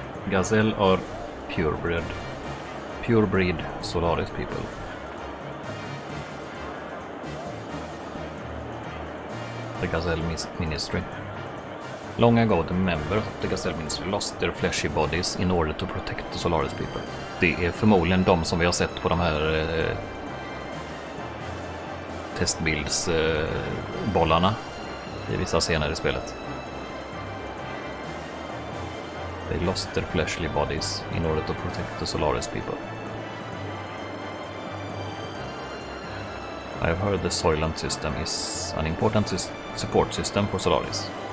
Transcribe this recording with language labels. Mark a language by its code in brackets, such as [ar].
[en] Gazelle are purebred. Purebred Solaris people. The Gazelle Ministry. Long ago, the members of the Gazelle Ministry lost their fleshy bodies in order to protect the Solaris people. [sv] Det är förmodligen de som vi har sett på de här testbildsbollarna i vissa scener i spelet. [en] They lost their fleshly bodies in order to protect the Solaris people. I have heard the Soylent system is an important support system for Solaris.